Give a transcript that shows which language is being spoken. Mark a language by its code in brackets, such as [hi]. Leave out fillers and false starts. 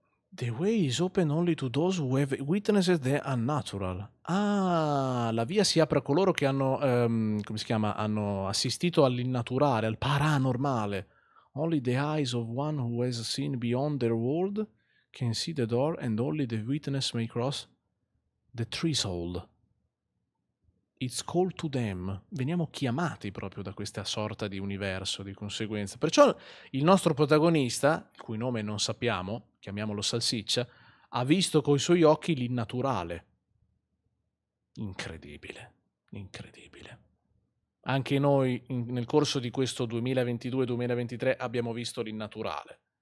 [en] The way is open only to those who have witnessed the unnatural. [it] Ah, la via si apre a coloro che hanno, come si chiama, hanno assistito all'innaturale, al paranormale. [en] Only the eyes of one who has seen beyond their world can see the door and only the witness may cross the threshold. It's called to them. [it] Veniamo chiamati proprio da questa sorta di universo di conseguenza. Perciò il nostro protagonista, il cui nome non sappiamo, chiamiamolo Salsiccia, ha visto coi suoi occhi l'innaturale. Incredibile. Incredibile. Anche noi nel corso di questo 2022-2023 abbiamo visto l'innaturale.